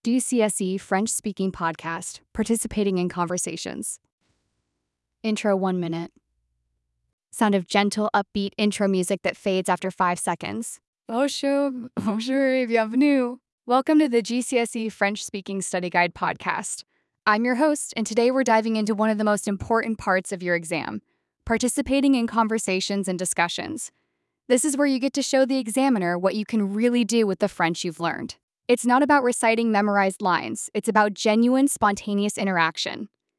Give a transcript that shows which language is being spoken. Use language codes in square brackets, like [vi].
[en] DCSE French Speaking Podcast, Participating in Conversations. Intro 1 minute. Sound of gentle, upbeat intro music that fades after 5 seconds. [fr] Bonjour, bonjour et bienvenue. [en] Welcome to the GCSE French Speaking Study Guide Podcast. I'm your host, and today we're diving into one of the most important parts of your exam, participating in conversations and discussions. This is where you get to show the examiner what you can really do with the French you've learned. It's not about reciting memorized lines. It's about genuine, spontaneous interaction.